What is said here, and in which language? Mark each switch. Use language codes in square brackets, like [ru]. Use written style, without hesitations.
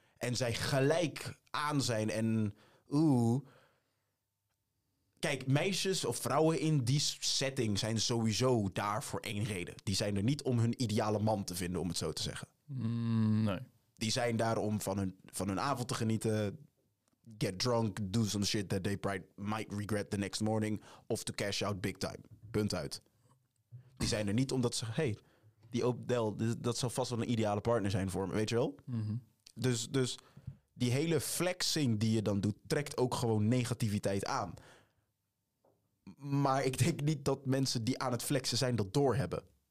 [nl] En zij gelijk aan zijn. En kijk, meisjes of vrouwen in die setting... zijn sowieso daar voor één reden. Die zijn er niet om hun ideale man te vinden... om het zo te zeggen. Nee. Die zijn daar om van hun avond te genieten. [en] Get drunk, do some shit that they might regret the next morning. Of to cash out big time. [nl] Punt uit. Die zijn er niet omdat ze... Hey, die Odell, dat zou vast wel een ideale partner zijn voor me, weet je wel? Mm-hmm. Dus die hele flexing die je dan doet, trekt ook gewoon negativiteit aan. Maar ik denk niet dat mensen die aan het flexen zijn, dat doorhebben.